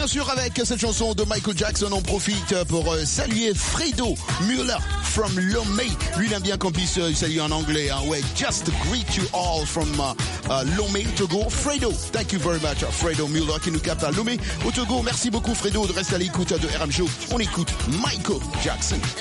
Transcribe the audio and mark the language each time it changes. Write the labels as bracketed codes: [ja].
[fr] Avec cette chanson de Michael Jackson, on profite pour saluer Fredo Muller from Lomé. Lui, il aime bien qu'on puisse saluer en anglais. Hein. [en] Ouais, just greet you all from Lomé, Togo. Fredo, thank you very much. [fr] Fredo Muller qui nous capte à Lomé, au Togo. Merci beaucoup, Fredo, de rester à l'écoute de RM Show. On écoute Michael Jackson.